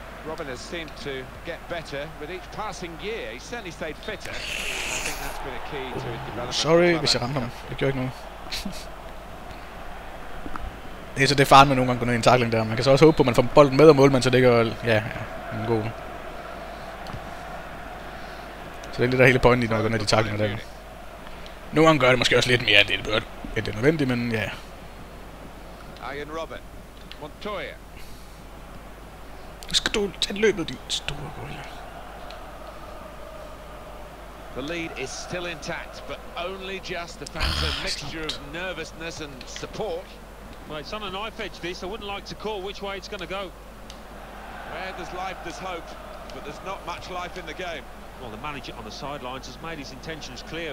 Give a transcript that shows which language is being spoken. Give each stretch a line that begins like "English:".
English: Robin has seemed to get better with each passing year. He certainly stayed fitter.
Danish: Sorry, hvis jeg ramte ham. Det gjorde ikke noget. Det er så det faren med nogle gange går ned i en takling der. Man kan så også håbe på, at man får bolden med og målmand, så det gør, ja, ja, en god. Så det er lidt der hele pointen i, når jeg går ned i taklinger der. Nogle gange gør det måske også lidt mere, det er det nødvendigt, men ja. Arjen Robben. Montoya. Nu skal du tage løbet, din store gorilla.
English: The lead is still intact, but only just the fans of mixture of nervousness and support. Well, it's on a knife edge, this. I wouldn't like to call which way it's going to go. Where there's life, there's hope, but there's not much life in the game. Well, the manager on the sidelines has made his intentions clear.